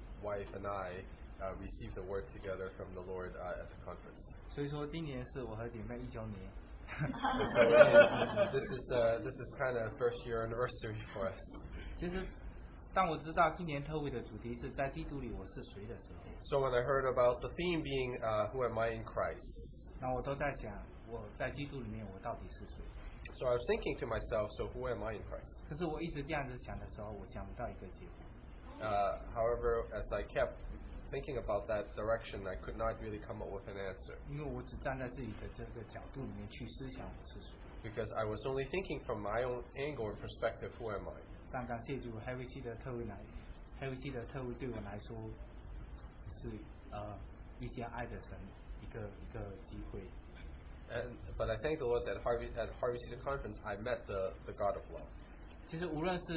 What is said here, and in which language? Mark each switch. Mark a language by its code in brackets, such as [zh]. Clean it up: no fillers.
[en] wife and I received the word together from the Lord at the conference. [zh] 所以说今年是我和姐妹一周年。 [en] So this is kind of first year anniversary for us. [zh] 其实，当我知道今年特会的主题是在基督里我是谁的时候。 [en] So when I heard about the theme being "Who am I in Christ?" [zh] 那我都在想，我在基督里面我到底是谁。 [en] So I was thinking to myself, "So who am I in Christ?" [zh] 可是我一直这样子想的时候，我想不到一个结果。 [en] However, as I kept thinking about that direction, I could not really come up with an answer. Because I was only thinking from my own angle and perspective, who am I? But I thank the Lord that at Harvey City Conference, I met the God of Love.